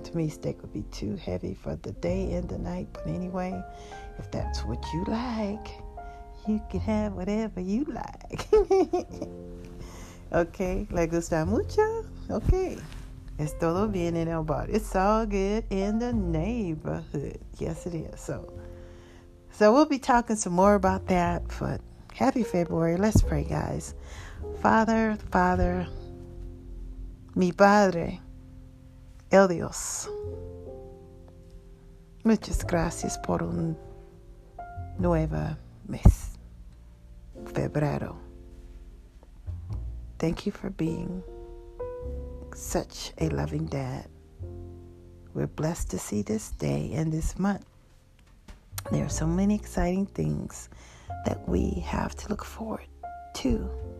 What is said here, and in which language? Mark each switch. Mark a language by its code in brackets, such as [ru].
[en] To me, steak would be too heavy for the day and the night. But anyway, if that's what you like, you can have whatever you like. [es] Okay, le gusta mucho? Okay, es todo bien en el bar. [en] It's all good in the neighborhood. Yes, it is. So we'll be talking some more about that, but happy February. Let's pray, guys. [es] Father, mi padre, el Dios, muchas gracias por un nuevo mes, febrero. [en] Thank you for being such a loving dad. We're blessed to see this day and this month. There are so many exciting things that we have to look forward to.